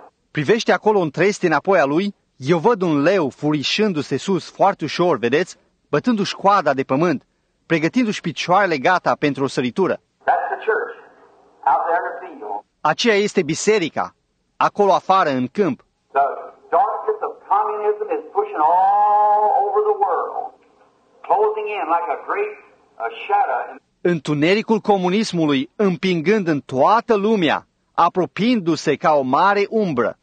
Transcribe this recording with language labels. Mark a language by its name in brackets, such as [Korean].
[Romanian] Privește acolo un trestie înapoi a lui. Eu văd un leu furișându-se sus foarte ușor, vedeți? Bătându-și coada de pământ, pregătindu-și picioarele gata pentru o săritură. [English] That's the church, out there in the field. [Romanian] Aceea este biserica, acolo afară, în câmp. [English] The darkness of communism is pushing all over the world, closing in like a great shadow. [Romanian] Întunericul comunismului împingând în toată lumea, apropiindu-se ca o mare umbră.